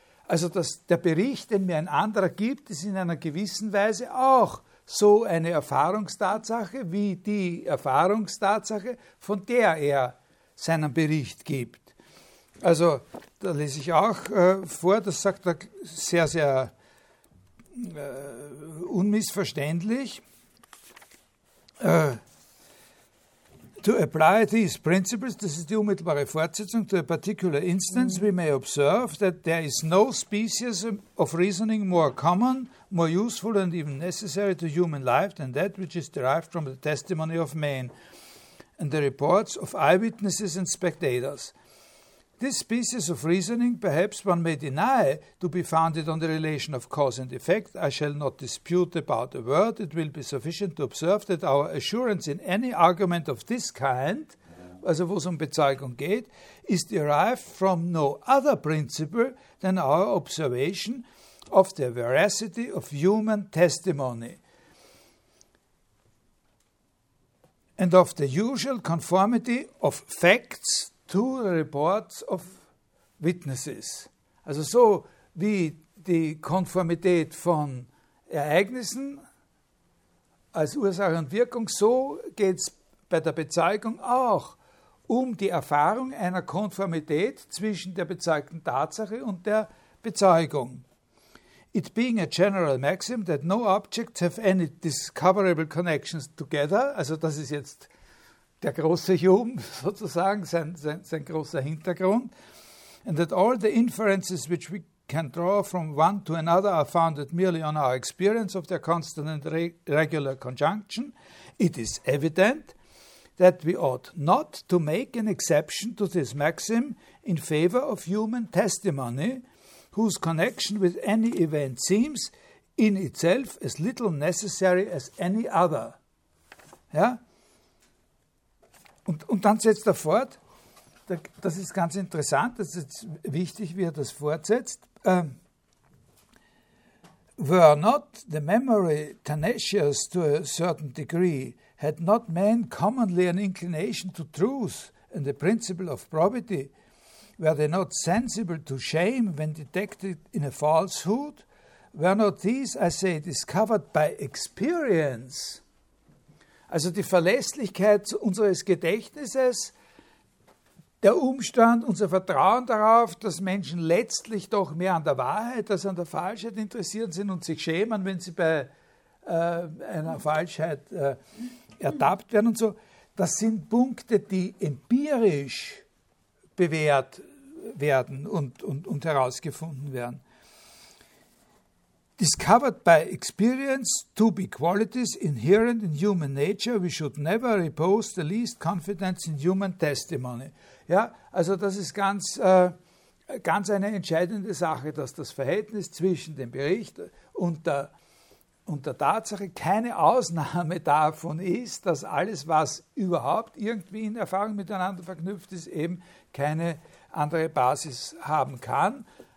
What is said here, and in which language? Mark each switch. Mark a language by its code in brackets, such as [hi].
[de] Also dass der Bericht, den mir ein anderer gibt, ist in einer gewissen Weise auch so eine Erfahrungstatsache wie die Erfahrungstatsache, von der er seinen Bericht gibt. Also da lese ich auch vor, das sagt er sehr, sehr unmissverständlich. [en] To apply these principles, [de] das ist die unmittelbare Fortsetzung, [en] to a particular instance, we may observe that there is no species of reasoning more common, more useful and even necessary to human life than that which is derived from the testimony of man and the reports of eyewitnesses and spectators. This species of reasoning, perhaps one may deny, to be founded on the relation of cause and effect. I shall not dispute about a word. It will be sufficient to observe that our assurance in any argument of this kind, [de] also wo es um Bezeugung geht, [en] is derived from no other principle than our observation of the veracity of human testimony. and of the usual conformity of facts to the reports of witnesses. [de] Also so wie die Konformität von Ereignissen als Ursache und Wirkung, so geht es bei der Bezeugung auch um die Erfahrung einer Konformität zwischen der bezeugten Tatsache und der Bezeugung. [en] It being a general maxim that no objects have any discoverable connections together, [de] also das ist jetzt der große Hume sozusagen, sein großer Hintergrund, [en] and that all the inferences which we can draw from one to another are founded merely on our experience of their constant and regular conjunction, it is evident that we ought not to make an exception to this maxim in favor of human testimony, whose connection with any event seems in itself as little necessary as any other. [de] Ja? Und dann setzt er fort, das ist ganz interessant, das ist wichtig, wie er das fortsetzt. [en] Were not the memory tenacious to a certain degree, had not man commonly an inclination to truth and the principle of probity, were they not sensible to shame when detected in a falsehood? Were not these, I say, discovered by experience? [de] Also die Verlässlichkeit unseres Gedächtnisses, der Umstand, unser Vertrauen darauf, dass Menschen letztlich doch mehr an der Wahrheit als an der Falschheit interessiert sind und sich schämen, wenn sie bei einer Falschheit ertappt werden und so, das sind Punkte, die empirisch bewährt werden und herausgefunden werden. [en] Discovered by experience to be qualities inherent in human nature, we should never repose the least confidence in human testimony. [de] Ja, also das ist ganz, ganz eine entscheidende Sache, dass das Verhältnis zwischen dem Bericht und der Tatsache keine Ausnahme davon ist, dass alles, was überhaupt irgendwie in Erfahrung miteinander verknüpft ist, eben keine andere Basis haben kann